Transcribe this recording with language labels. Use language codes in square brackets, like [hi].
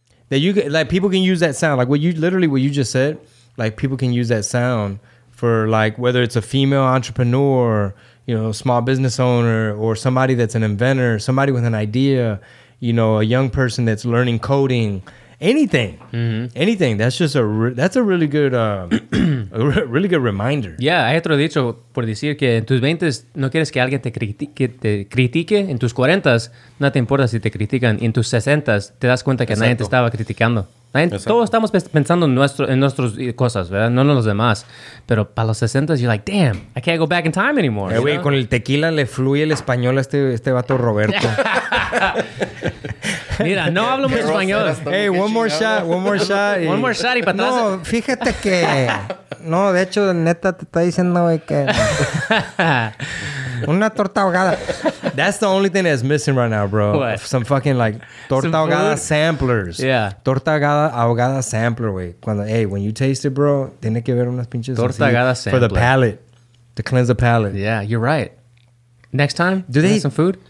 [en] People can use that sound. Like, what you just said, like, people can use that sound for, like, whether it's a female entrepreneur, you know, small business owner, or somebody that's an inventor, somebody with an idea, you know, a young person that's learning coding, anything, anything. That's just that's a really good, really good reminder. [es] Yeah, hay otro dicho por decir que en tus 20s no quieres que alguien te critique, en tus 40s no te importa si te critican, y en tus 60s te das cuenta que nadie te estaba criticando. Todos estamos pensando en nuestras cosas, ¿verdad? No en los demás. Pero para los 60s, [en] you're like, damn, I can't go back in time anymore. [es] Güey, con el tequila le fluye el español a este vato Roberto. Mira, no hablo muy español. [en] Hey, one more shot. One more shot y patrón. [es] No, fíjate que... No, de hecho, neta, te está diciendo, güey, que... Una torta ahogada. [en] That's the only thing that's missing right now, bro. What? Some fucking, like, torta ahogada samplers. Yeah. [es] Torta ahogada sampler, güey. [en] Hey, when you taste it, bro, [es] tiene que ver unas pinches torta ahogada sampler. [en] For the palate. To cleanse the palate. Yeah, you're right. Next time, do they have some food?